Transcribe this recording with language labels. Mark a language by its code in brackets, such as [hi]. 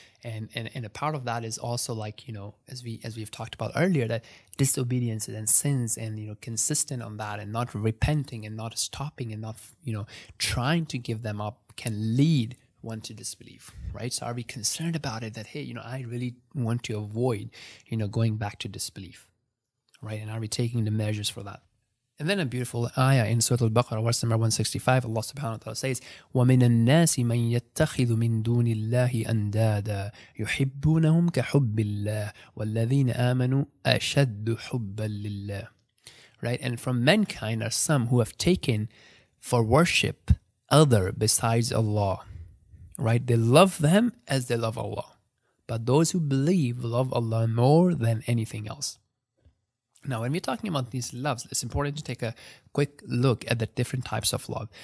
[en] And a part of that is also, like, you know, as we've talked about earlier, that disobedience and sins, and, you know, consistent on that and not repenting and not stopping and not, you know, trying to give them up can lead one to disbelief, right? So are we concerned about it, that, hey, you know, I really want to avoid, you know, going back to disbelief, right? And are we taking the measures for that? And then a beautiful ayah in Surah Al-Baqarah, verse number 165, Allah subhanahu wa ta'ala says, [ar] وَمِنَ النَّاسِ مَنْ يَتَّخِذُ مِنْ دُونِ اللَّهِ أَنْدَادًا يُحِبُّونَهُمْ كَحُبِّ اللَّهِ وَالَّذِينَ آمَنُوا أَشَدُّ حُبًّا لِلَّهِ. [en] Right? And from mankind are some who have taken for worship other besides Allah. Right? They love them as they love Allah. But those who believe love Allah more than anything else. Now, when we're talking about these loves, it's important to take a quick look at the different types of love.